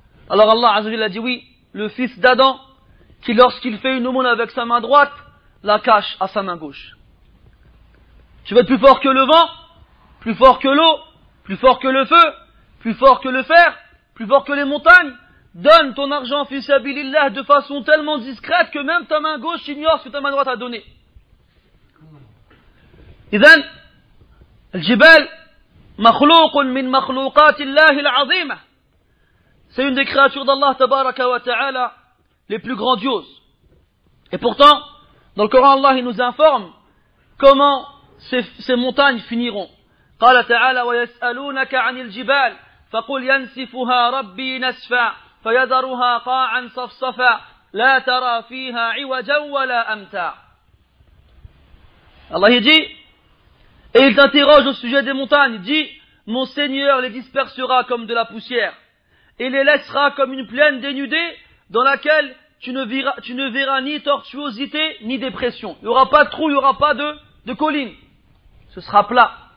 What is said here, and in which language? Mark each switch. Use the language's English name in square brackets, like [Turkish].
[French] Alors Allah Azzawajal a dit oui, le fils d'Adam, qui lorsqu'il fait une aumône avec sa main droite, la cache à sa main gauche. Tu veux être plus fort que le vent, plus fort que l'eau, plus fort que le feu, plus fort que le fer, plus fort que les montagnes? Donne ton argent, fi sabilillah, de façon tellement discrète que même ta main gauche ignore ce que ta main droite a donné. [Arabic] إذن الجبال مخلوق من مخلوقات الله العظيمة. [French] C'est une des créatures d'Allah tabaraka wa ta'ala les plus grandioses. Et pourtant, dans le Coran, Allah il nous informe comment ces montagnes finiront. [Arabic] قال تعالى ويسألونك عن الجبال فقل ينسفها ربي نسفا فيذرها قاعا صفصفا لا ترى فيها عوجا ولا أمتا. [French] Allah il dit, et il t'interroge au sujet des montagnes, il dit, mon Seigneur les dispersera comme de la poussière, et les laissera comme une plaine dénudée, dans laquelle tu ne verras ni tortuosité, ni dépression. Il n'y aura pas de trou, il n'y aura pas de colline. Ce sera plat.